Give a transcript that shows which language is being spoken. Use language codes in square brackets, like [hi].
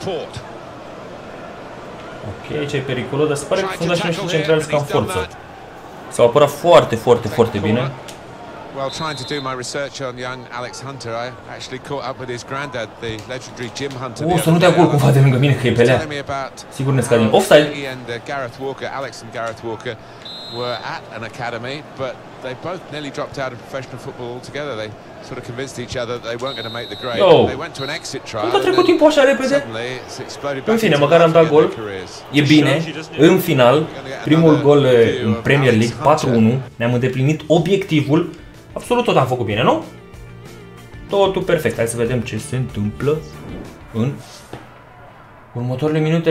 [ro] Ok, aici e periculos, dar se pare că fundașii noștri centrali sunt ca în forță. S-au apărat foarte, foarte, foarte bine. [en] While trying to do my research on young Alex Hunter, I actually caught up with his granddad, the legendary Jim Hunter. [ro] Oh, să nu te acolo cumva de lângă mine, că e pe lea. Sigur ne scade din offside. [en] He and Gareth Walker, Alex and Gareth Walker, were at an academy, but they both nearly dropped out of professional football altogether. They sort of convinced each other that they weren't going to make the grade. No. They went to an exit trial. [ro] Cum a trecut timpul așa repede? În fine, măcar am dat gol. E bine. În final, primul gol în Premier League, 4-1. Ne-am îndeplinit obiectivul. Absolut tot am făcut bine, nu? Totul perfect. Hai să vedem ce se întâmplă în următoarele minute.